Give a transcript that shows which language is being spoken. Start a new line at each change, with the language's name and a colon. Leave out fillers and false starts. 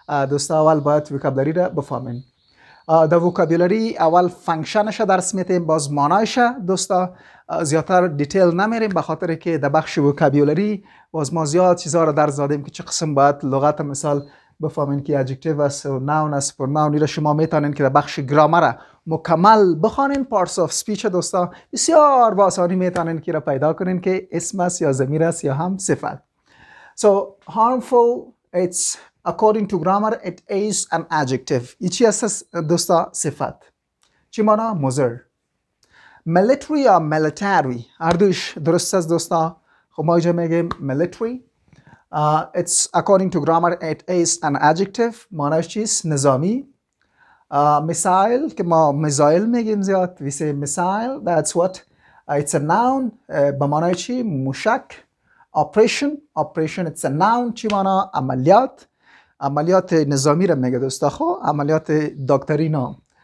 Persian: دوستا اول باید وکابیولری را بفهمین. در وکابیولری اول فنکشنش درس میتیم، باز مانایش دوستا زیادتر دیتیل نمیریم به خاطر که در بخش وکابیولری باز ما زیاد چیزها را درس دادیم که چه قسم باید لغت مثال بفهمین که ادجکتیو است و ناون است و پرناون. را شما میتونین که در بخش گرامر مکمل بخوانین، پارتس آف سپیچ دوستا، بسیار با آسانی میتونین که را پیدا کنین که اسم است یا ضمیر است یا هم صفت.
English: So harmful, it's according to grammar, it is an adjective.
Persian: چی است دوستا؟ صفت. چی مانا؟ مضر. Military یا military، هر دوش درست است دوستا. خب ما اینجا میگیم military.
English: It's according to grammar, it is an adjective.
Persian: مانش چیست؟ نظامی. میسایل که ما میزایل میگیم زیاد.
English: We say missile, that's what. It's a noun.
Persian: به مانای چی؟ موشک.
English: Operation, it's a noun.
Persian: چی مانا؟ عملیات. عملیات نظامی را میگه دوستا، خو عملیات دکترینا.